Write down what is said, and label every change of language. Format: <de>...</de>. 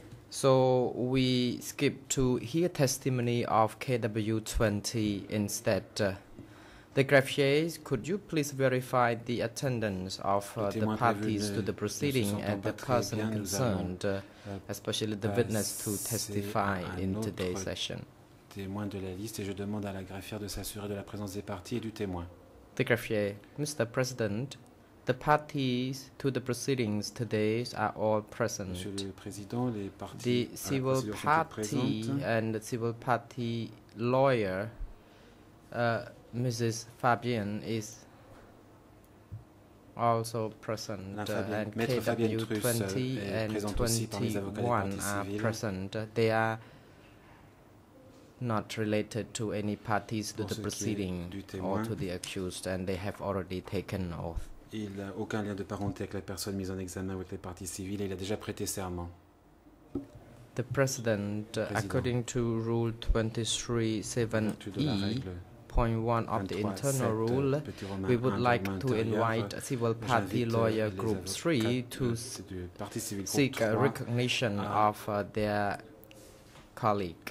<en>So we skip to hear testimony of KW20 instead. The greffiers, could you please verify the attendance of the parties to the proceeding and the person concerned, especially the witness to testify in today's session?</en> <fr>Témoin de la liste et je demande à la greffière de s'assurer de la présence des parties et du témoin.</fr> <en>The greffier, Mr. President, the parties to the proceedings today are all present.</en> <fr>Monsieur le Président, les parties</fr> <en>the civil party and the civil party lawyer, Mrs. Fabian, is also present. And KW20 and 21 are present. They are not related to any parties to the proceeding or to the accused, and they have already taken oath.</en> <fr>Il n'a aucun lien de parenté avec la personne mise en examen ou avec les parties civiles et il a déjà prêté serment.</fr> <en>The President, according to Rule 23.7e.1 of the Internal Rule, we would like to invite Civil Party Lawyer Group 3 to seek a recognition of their colleague.</en>